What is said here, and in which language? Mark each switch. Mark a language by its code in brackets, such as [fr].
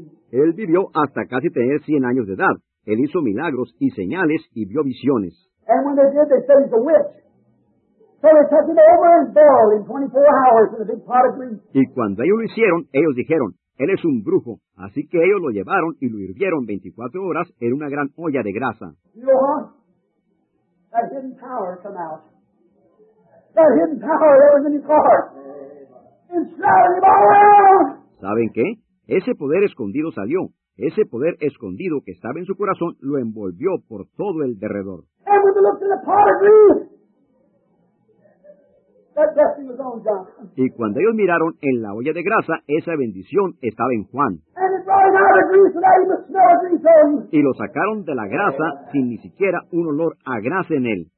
[es] Él vivió hasta casi tener 100 años de edad. Él hizo milagros y señales y vio visiones. [en] And when they did, they said he's a witch. So they took him over and boiled in 24 hours in a big pot of grease. [es] Y cuando ellos lo hicieron, ellos dijeron, él es un brujo. Así que ellos lo llevaron y lo hirvieron 24 horas en una gran olla de grasa. [en] That hidden power came out. That hidden power that was in his heart. Inside of him. [es] ¿Saben qué? Ese poder escondido salió. Ese poder escondido que estaba en su corazón lo envolvió por todo el derredor. [en] And when they looked in the pot of grease, that blessing was on John. [es] Y cuando ellos miraron en la olla de grasa, esa bendición estaba en Juan. [en] And it's all out of grease without even smell of grease on him. [es] Y lo sacaron de la grasa sin ni siquiera un olor a grasa en él.